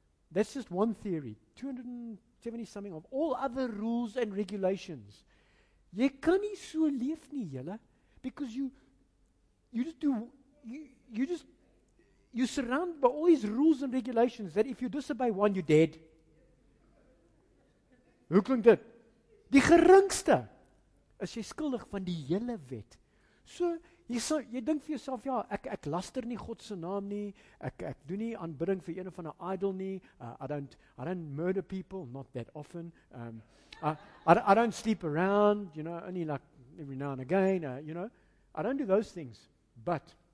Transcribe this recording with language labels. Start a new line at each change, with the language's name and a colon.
English: That's just one theory. 270 something of all other rules and regulations.
Afrikaans: Jy kan nie so leef nie, julle,
English: because you're surrounded by all these rules and regulations that if you disobey one, you're dead.
Afrikaans: Hoe klink dit? Die geringste is jy skuldig van die hele wet. So, jy dink vir jouself, ja, ek laster nie God se naam nie, ek doen nie aanbidding vir een van 'n idol nie,
English: I don't murder people, not that often, I don't sleep around, you know, only like every now and again, you know, I don't do those things, but